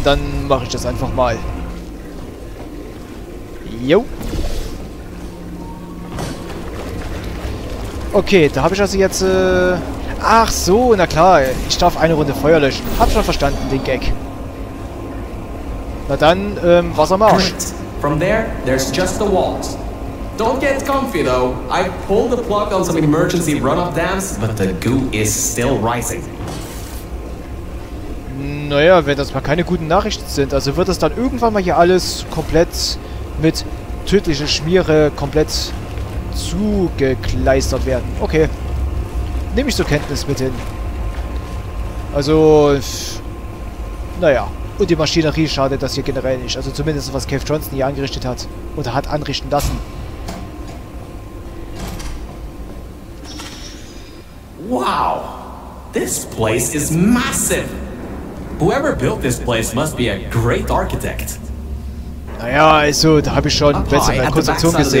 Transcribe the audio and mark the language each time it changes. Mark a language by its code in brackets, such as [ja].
[de] Dann mache ich das einfach mal. Jo. Okay, da habe ich also jetzt, ach so, na klar, ich darf eine Runde Feuer löschen. Hab schon verstanden, den Gag. Na dann, Wassermarsch. [en] From there, there's just the walls. Don't get comfy, though. I pulled the plug on some emergency runoff dams, but the goo is still rising. [de] Naja, wenn das mal keine guten Nachrichten sind, also wird das dann irgendwann mal hier alles komplett mit tödlicher Schmiere komplett zugekleistert werden. Okay. nehme ich zur Kenntnis mit hin. Also, naja. Und die Maschinerie schadet das hier generell nicht. Also zumindest was Cave Johnson hier angerichtet hat. Oder hat anrichten lassen. [en] Wow! This place is massive! Whoever built this place must be a great architect. [de] Naja, also, da habe ich schon bessere Konstruktion gesehen.